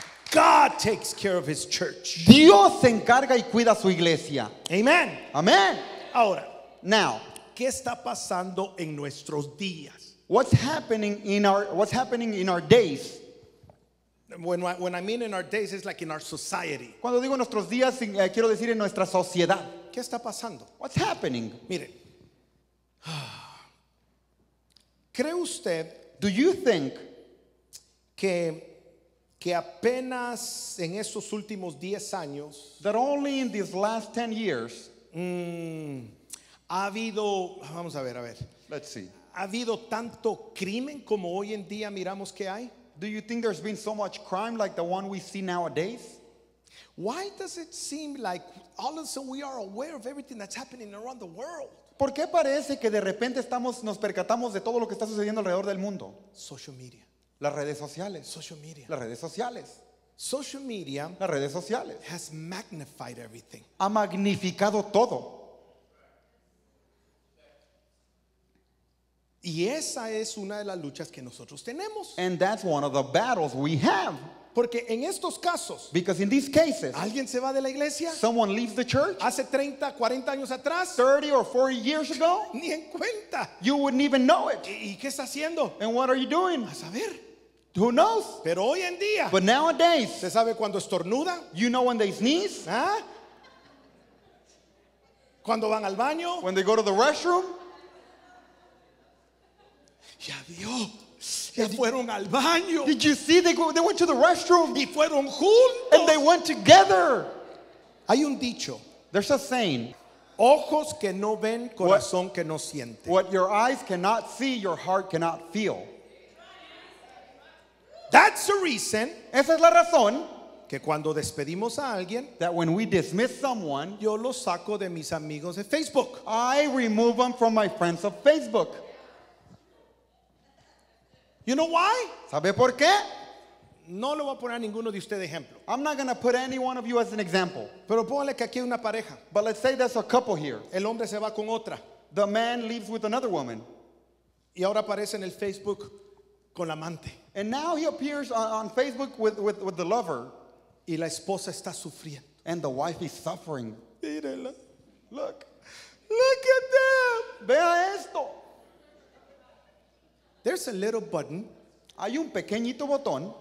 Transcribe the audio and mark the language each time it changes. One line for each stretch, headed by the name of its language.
English: God takes care of his church.
Spanish: Dios se encarga y cuida su iglesia. Amen. Amen. Ahora,
English: now,
Spanish: ¿qué está pasando en nuestros días?
English: What's happening in our days? When I mean in our days, it's like in our society.
Spanish: Cuando digo nuestros días, quiero decir en nuestra sociedad. ¿Qué está pasando?
English: What's happening?
Spanish: Mire. ¿Cree usted,
English: do you think
Spanish: que apenas en esos últimos 10 años,
English: that only in these last 10 years,
Spanish: ha habido, vamos a ver,
English: let's see,
Spanish: ha habido tanto crimen como hoy en día miramos que hay?
English: Do you think there's been so much crime like the one we see nowadays? Why does it seem like all of a sudden we are aware of everything that's happening around the world?
Spanish: ¿Por qué parece que de repente nos percatamos de todo lo que está sucediendo alrededor del mundo?
English: Social media.
Spanish: Las redes sociales.
English: Social media.
Spanish: Las redes sociales.
English: Social media.
Spanish: Las redes sociales.
English: Has magnified everything.
Spanish: Ha magnificado todo. Y esa es una de las luchas que nosotros tenemos.
English: And that's one of the battles we have.
Spanish: Porque en estos casos,
English: because in these cases,
Spanish: alguien se va de la iglesia,
English: someone leaves the church,
Spanish: hace 30, 40 años atrás,
English: 30 or 40 years ago,
Spanish: ni en cuenta,
English: you wouldn't even know it.
Spanish: ¿Y qué está haciendo?
English: And what are you doing?
Spanish: A saber.
English: Who knows?
Spanish: Pero hoy en día,
English: but nowadays,
Spanish: ¿se sabe cuando estornuda?
English: You know when they sneeze?
Spanish: ¿Ah? ¿Cuando van al baño?
English: When they go to the restroom?
Spanish: Ya vio. Ya fueron al baño.
English: Did you see they went to the restroom?
Spanish: Y fueron juntos.
English: And they went together.
Spanish: Hay un dicho.
English: There's a saying.
Spanish: Ojos que no ven, corazón que no siente.
English: What your eyes cannot see, your heart cannot feel. That's the reason.
Spanish: Esa es la razón. Que cuando despedimos a alguien,
English: that when we dismiss someone,
Spanish: yo lo saco de mis amigos de Facebook.
English: I remove them from my friends of Facebook. You know why?
Spanish: ¿Sabe por qué? No lo voy a poner a ninguno de ustedes ejemplo.
English: I'm not going to put any one of you as an example.
Spanish: Pero póngale que aquí hay una pareja.
English: But let's say there's a couple here.
Spanish: El hombre se va con otra.
English: The man leaves with another woman.
Spanish: Y ahora aparece en el Facebook con la amante.
English: And now he appears on Facebook with the lover.
Spanish: Y la esposa está sufriendo.
English: And the wife is suffering.
Spanish: Mírela.
English: Look. Look at them.
Spanish: Vea esto.
English: There's a little button,
Spanish: hay un pequeñito botón